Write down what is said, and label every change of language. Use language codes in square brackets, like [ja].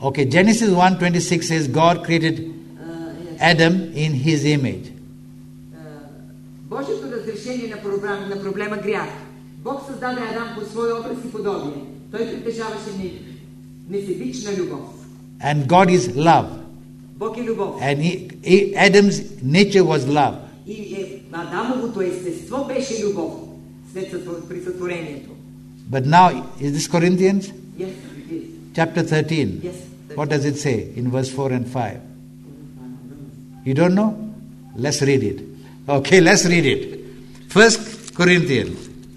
[en] Genesis 1:26 says God created Adam in his image. [bg] Божето разрешение на проблема грях. Бог създаде Адам по свой образ и подобие. Той притежаваше несебична любов. [en] And God is love. [bg] Бог е любов. [en] And Adam's nature was love. [bg] И Адамовото естество беше любов след сътворението. [en] But now, is this Corinthians? Yes. chapter 13. Yes. What does it say in verse 4 and 5? You don't know? Let's read it. Okay, let's read it. 1 Corinthians.